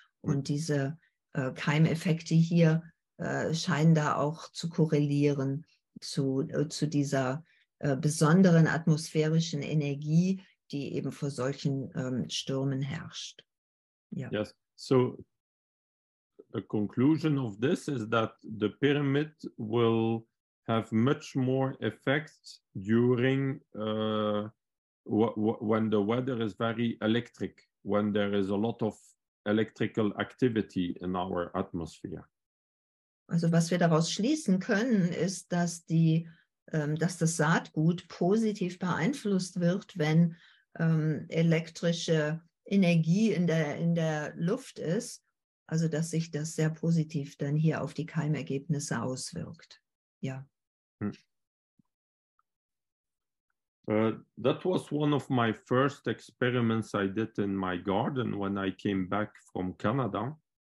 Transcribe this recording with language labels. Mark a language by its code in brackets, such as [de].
[de] Und diese Keimeffekte hier scheinen da auch zu korrelieren. Zu dieser besonderen atmosphärischen Energie, die eben vor solchen Stürmen herrscht. [en] Yeah. Yes, so the conclusion of this is that the pyramid will have much more effects during when the weather is very electric, when there is a lot of electrical activity in our atmosphere. [de] Also was wir daraus schließen können, ist, dass die, dass das Saatgut positiv beeinflusst wird, wenn elektrische Energie in der Luft ist. Also dass sich das sehr positiv dann hier auf die Keimergebnisse auswirkt. Ja. [en] That was one of my first experiments I did in my garden when I came back from Canada.